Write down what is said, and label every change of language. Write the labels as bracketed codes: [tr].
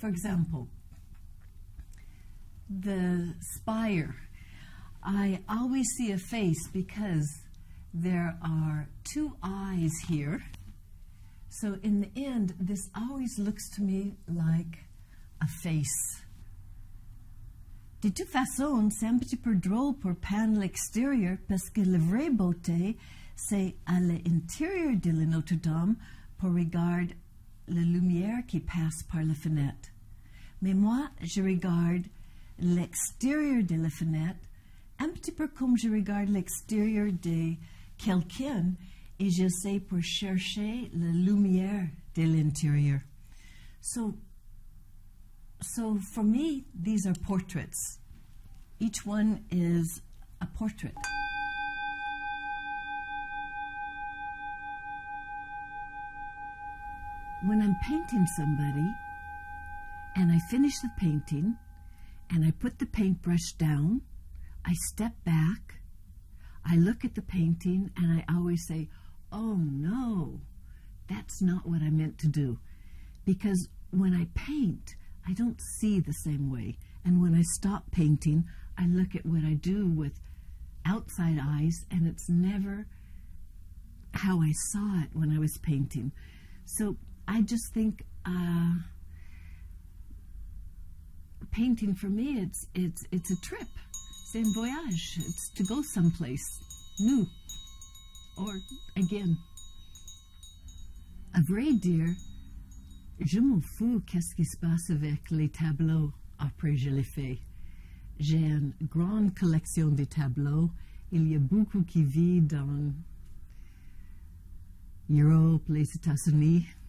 [en] For example, the spire. I always see a face because there are two eyes here. So in the end, this always looks to me like a face. [fr] De toute façon, c'est un petit peu drôle pour peindre l'extérieur parce que la vraie beauté, c'est à l'intérieur de la Notre-Dame pour regarder la lumière qui passe par la fenêtre. Mais moi, je regarde l'extérieur de la fenêtre un petit peu comme je regarde l'extérieur de quelqu'un et j'essaie pour chercher la lumière de l'intérieur. [en] So for me, these are portraits. Each one is a portrait. When I'm painting somebody and I finish the painting and I put the paintbrush down, I step back, I look at the painting, and I always say, oh no, that's not what I meant to do. Because when I paint, I don't see the same way. And when I stop painting, I look at what I do with outside eyes, and it's never how I saw it when I was painting. So I just think painting for me, it's a trip. [fr] C'est un voyage. [en] It's to go someplace new. Or again, [fr] a vrai dire, je m'en fous qu'est-ce qui se passe avec les tableaux après je les fais. J'ai une grande collection de tableaux. Il y a beaucoup qui vit dans Europe, les États-Unis.